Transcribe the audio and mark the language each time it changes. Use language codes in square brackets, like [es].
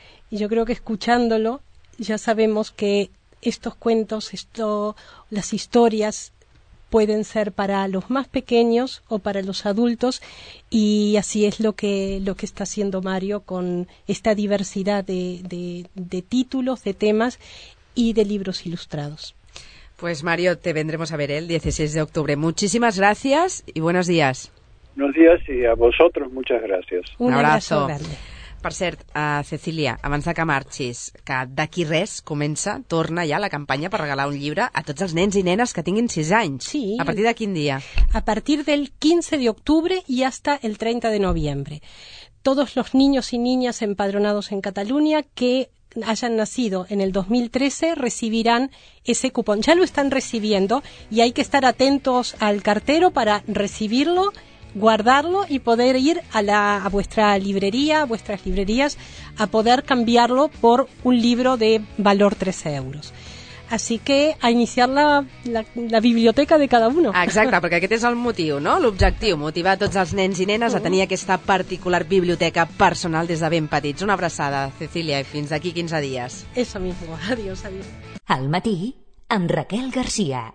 [es] Y yo creo que escuchándolo ya sabemos que estos cuentos, las historias, pueden ser para los más pequeños o para los adultos, y así es lo que está haciendo Mario con esta diversidad de títulos, de temas y de libros ilustrados. Pues Mario, te vendremos a ver el 16 de octubre. Muchísimas gracias y buenos días. Buenos días, y a vosotros muchas gracias. Un abrazo grande. [ca] Per cert, Cecília, abans que marxis, que d'aquí res comença, torna ja la campanya per regalar un llibre a tots els nens i nenes que tinguin 6 anys. Sí. A partir de quin dia? [es] A partir del 15 de octubre i hasta el 30 de novembre. Todos los niños y niñas empadronados en Cataluña que hayan nacido en el 2013 recibirán ese cupón. Ya lo están recibiendo y hay que estar atentos al cartero para recibirlo, guardarlo y poder ir a vuestra librería, a vuestras librerías, a poder cambiarlo por un libro de valor 13 euros. Así que a iniciar la biblioteca de cada uno. [ca] Exacte, perquè aquest és el motiu, no? L'objectiu, motivar tots els nens i nenes a tenir aquesta particular biblioteca personal des de ben petits. Una abraçada, Cecília, i fins d'aquí 15 dies. [es] Eso mismo, adiós, adiós. [ca] Al matí, amb Raquel García.